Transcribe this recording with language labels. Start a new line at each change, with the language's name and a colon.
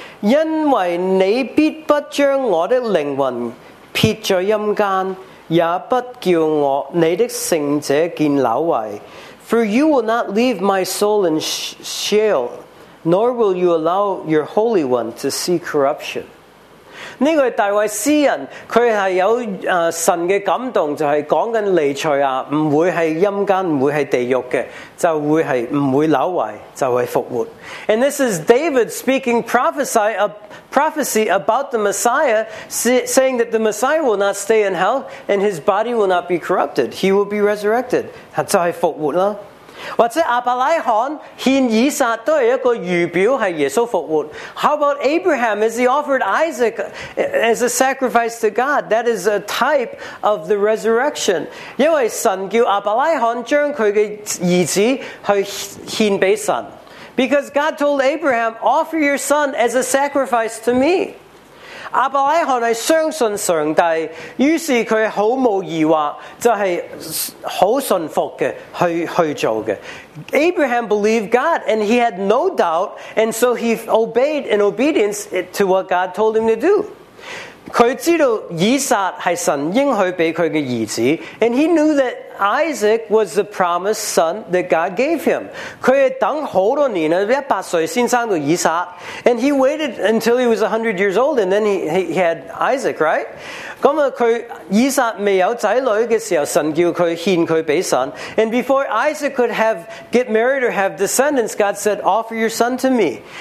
Cantonese: 因为你必不将我的灵魂撇在阴间，也不叫我你的圣者见朽坏。
English: For you will not leave my soul in Sheol, nor will you allow your holy one to see corruption.
Cantonese: 这个是大卫诗人，他是有神的感动，就是讲紧尼赛亚不会是阴间，不会是地狱的，就会是不会朽坏，就会复活。
English: And this is David speaking prophecy about the Messiah, saying that the Messiah will not stay in hell and his body will not be corrupted. He will be resurrected.
Cantonese: 就是复活啦。或者亚伯拉罕献以撒都是一个预表，是耶稣复活。
English: How about Abraham as he offered Isaac as a sacrifice to God? That is a type of the resurrection.
Cantonese: 因为神叫亚伯拉罕将他的儿子去献给神。
English: Because God told Abraham, offer your son as a sacrifice to me.
Cantonese: 亚伯拉罕是相信上帝，于是他毫无疑惑，就是好信服的 去做的。
English: Abraham believed God, and he had no doubt, and so he obeyed in obedience to what God told him to do.
Cantonese: 他知道以撒是神应许给他的儿子，
English: and he knew that Isaac was the promised son that God gave him.
Cantonese: 他等好多年了,100岁才生到以撒,
English: and he waited until he was 100 years old, and then he had Isaac, right?
Cantonese: 以撒未有子女的时候,神叫他献他给神,
English: and before Isaac could get married or have descendants, God said, offer your son to me.